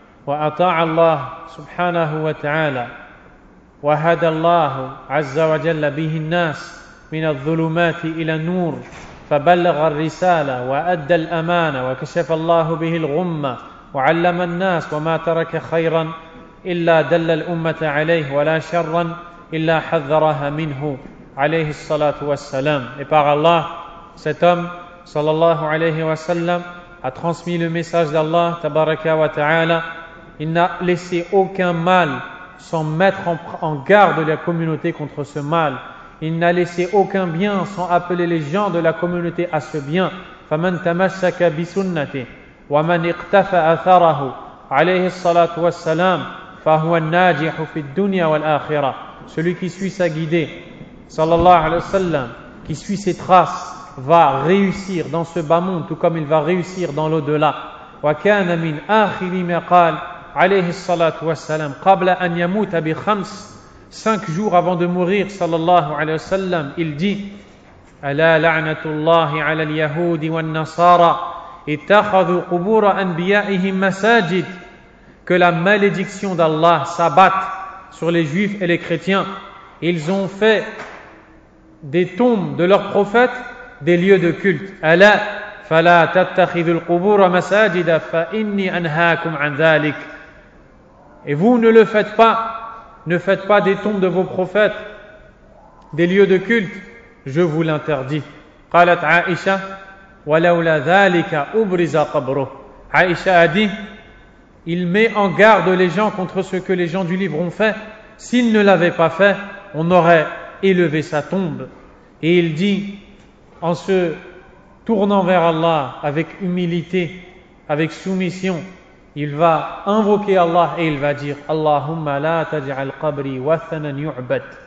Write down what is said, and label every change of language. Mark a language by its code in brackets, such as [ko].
[ar] وأطاع الله سبحانه وتعالى وهدى الله عز وجل به الناس من الظلمات إلى النور فبلغ الرسالة وأدى الأمانة وكشف الله به الغمة وعلم الناس وما ترك خيرا إلا دل الأمة عليه ولا شرا إلا حذرها منه عليه الصلاة والسلام. [fr] Et par Allah, cet homme صلى الله عليه وسلم a transmis le message d'Allah [ar] تبارك وتعالى. [fr] Il n'a laissé aucun mal sans mettre en garde la communauté contre ce mal. Il n'a laissé aucun bien sans appeler les gens de la communauté à ce bien. [ar] فَمَنْ تَمَسَّكَ بِسُنَّةِ وَمَنْ اِقْتَفَ أَثَرَهُ عَلَيْهِ الصَّلَاةُ وَالسَّلَامُ فَهُوَ النَّاجِحُ فِي الدُّنْيَا وَالْآخِرَةِ. [fr] Celui qui suit sa guidée, sallallahu alayhi wa sallam, qui suit ses traces, va réussir dans ce bas monde tout comme il va réussir dans l'au-delà. [ar] وكان من آخر ما قال عليه الصلاة والسلام قبل أن يموت بخمس [fr] 5 jours avant de mourir [ar] صلى الله عليه وسلم [fr] il dit [ar] ألا لعنة الله على اليهود والنصارى اتخذوا قبور أنبيائهم مساجد. [fr] Que la malédiction d'Allah s'abatte sur les Juifs et les Chrétiens. Ils ont fait des tombes de leurs prophètes des lieux de culte. [ar] ألا فلا تتخذوا القبور مساجد فإني أنهاكم عن ذلك. [fr] Et vous ne le faites pas, ne faites pas des tombes de vos prophètes, des lieux de culte, je vous l'interdis. [ar] قالت عائشة ولولا ذلك أبرز قبره. [fr] Aïcha a dit, il met en garde les gens contre ce que les gens du livre ont fait. S'il ne l'avait pas fait, on aurait élevé sa tombe. Et il dit, en se tournant vers Allah avec humilité, avec soumission, il va invoquer Allah et il va dire [ar] Allahumma la taj'al qabri wathanan yu'bad.